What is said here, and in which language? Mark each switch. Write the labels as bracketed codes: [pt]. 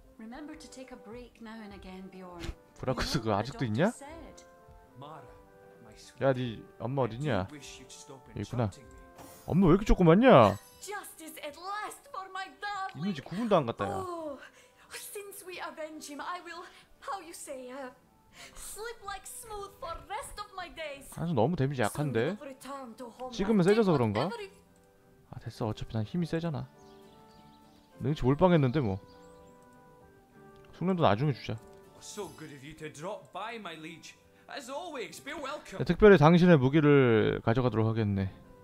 [ko] 브라쿠스 그 아직도 있냐? 야 니 엄마 어딨냐? 있구나. 엄마 왜 이렇게 조그맣냐? 있는지 구분도 안 갔다야. [en] Since we avenge him, I will, how you say, sleep like smooth for rest of my days. [ko] 아주 너무 데미지 약한데. 지금은 세져서 그런가? 아 됐어, 어차피 난 힘이 세잖아. 능치 몰빵했는데 뭐. 숙련도 나중에 주자. [en] So good of you to drop by, my liege. As always, be welcome. [ko] 네, 특별히 당신의 무기를 가져가도록 하겠네.